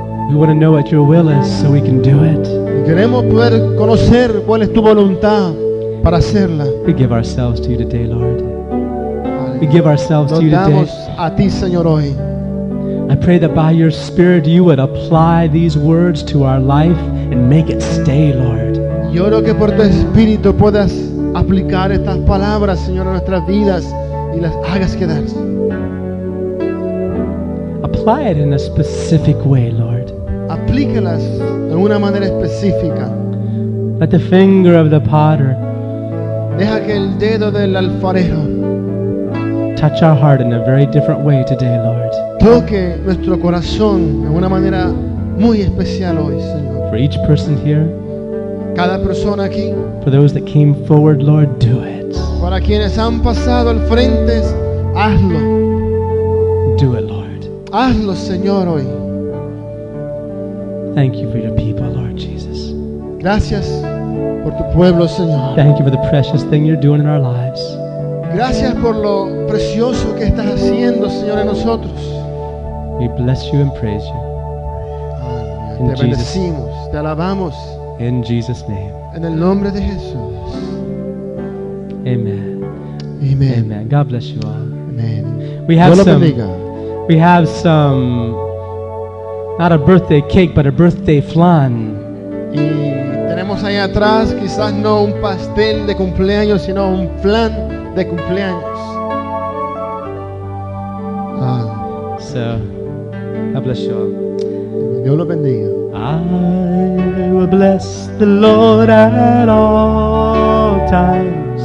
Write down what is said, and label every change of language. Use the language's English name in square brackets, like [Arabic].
[English] We want to know what your will is so we can do it. [Spanish] Queremos poder conocer cuál es tu voluntad para hacerla. [English] We give ourselves to you today, Lord. We give ourselves to you today. [Spanish] A ti, Señor, hoy. [English] I pray that by your Spirit you would apply these words to our life and make it stay, Lord. [Spanish] Yo creo que por tu Espíritu puedas aplicar estas palabras, Señor, a nuestras vidas y las hagas quedar. [English] Apply it in a specific way, Lord. [Spanish] Aplícalas de una manera específica. [English] Let the finger of the potter [Spanish] Deja que el dedo del alfarero [English] touch our heart in a very different way today, Lord. [Spanish] Toque nuestro corazón de una manera muy especial hoy, Señor. [English] For each person here, [Spanish] cada persona aquí, [English] for those that came forward, Lord, do it. [Spanish] Para quienes han pasado al frente, hazlo. [English] Do it, Lord. [Spanish] Hazlo, Señor, hoy. [English] Thank you for your people, Lord Jesus. [Spanish] Gracias por tu pueblo, Señor. [English] Thank you for the precious thing you're doing in our lives. [Spanish] Gracias por lo precioso que estás haciendo, Señor, en nosotros. [English] We bless you and praise you. [Spanish] Te bendecimos, te alabamos. [English] In Jesus' name. [Spanish] En el nombre de Jesús. [English] Amen. [Spanish] Amen. [English] Amen. God bless you all. [Spanish] Amen. [English] We have some, not a birthday cake, but a birthday flan. [Spanish] Y tenemos ahí atrás, quizás no un pastel de cumpleaños, sino un flan de cumpleaños. [English] Ah. So, God bless you all. [Spanish] Dios lo bendiga. [English] I will bless the Lord at all times.